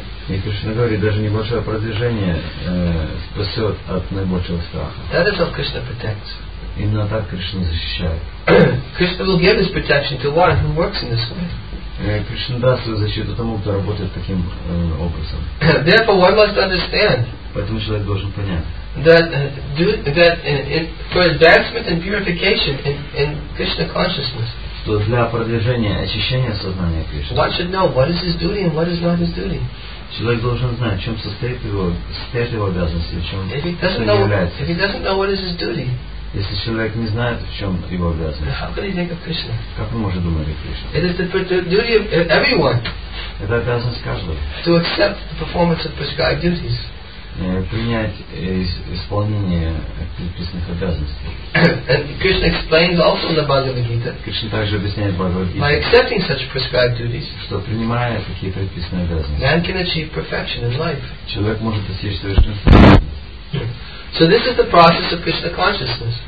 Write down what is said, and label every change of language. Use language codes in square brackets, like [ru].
[ru] И Кришна говорит, даже небольшое продвижение спасет от наибольшего страха. [en] That is how Krishna protects. [ru] Именно так Кришна защищает. [en] Krishna will give his protection to one who works in this way. [ru] Кришна даст свою защиту тому, кто работает таким образом. [en] Therefore, one must understand. [ru] Поэтому человек должен понять. [en] For advancement and purification in Krishna consciousness. [ru] Что для продвижения очищения сознания Кришны. [en] One should know what is his duty and what is not his duty. [ru] Человек должен знать, в чем состоит его обязанности, в чем он является. [en] If he doesn't know what is his duty. [ru] Если человек не знает, в чем его обязанность, как он может думать о Кришне? [en] It is the duty of everyone. [ru] Это обязанность каждого. [en] To accept the performance of prescribed duties. [ru] Принять исполнение предписанных обязанностей. [en] And Krishna explains also in the Bhagavad Gita. [ru] Кришна также объясняет Бхагавад Гите. [en] By accepting such prescribed duties. [ru] Что принимая такие предписанные обязанности. [en] Man can achieve perfection in life. [ru] Человек может достичь совершенства. [en] So this is the process of Krishna consciousness.